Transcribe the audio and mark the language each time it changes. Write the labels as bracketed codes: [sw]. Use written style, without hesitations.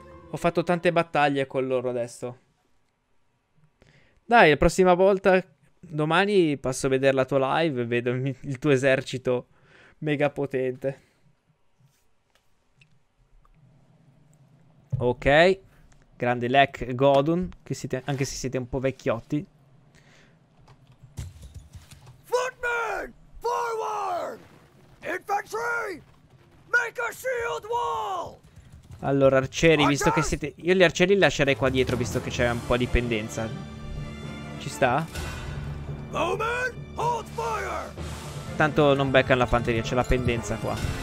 [it] Ho fatto tante battaglie con loro adesso. Dai, la prossima volta, domani passo a vedere la tua live e vedo il tuo esercito mega potente. Ok, grande Lek Godun, che siete, anche se siete un po' vecchiotti. [en] Footmen, forward! Infantry, make a shield wall! [it] Allora, arcieri, visto che siete... Io gli arcieri li lascerei qua dietro, visto che c'è un po' di pendenza. Ci sta? [en] Bowman, hold fire! [it] Tanto non beccano la fanteria, c'è la pendenza qua.